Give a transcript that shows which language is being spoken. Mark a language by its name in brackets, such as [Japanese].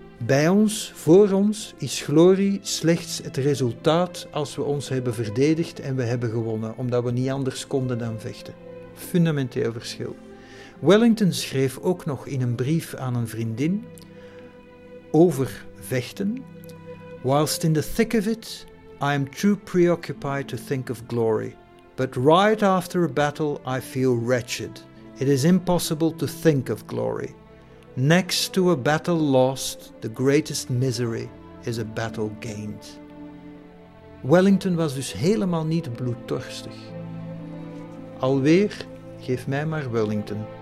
[Dutch] Bij ons, voor ons, is glorie slechts het resultaat als we ons hebben verdedigd en we hebben gewonnen, omdat we niet anders konden dan vechten. Fundamenteel verschil. Wellington schreef ook nog in een brief aan een vriendin over vechten: [English] "Whilst in the thick of it, I am too preoccupied to think of glory. But right after a battle, I feel wretched. It is impossible to think of glory. Next to a battle lost, the greatest misery is a battle gained." [Dutch] Wellington was dus helemaal niet bloeddorstig. Alweer, geef mij maar Wellington.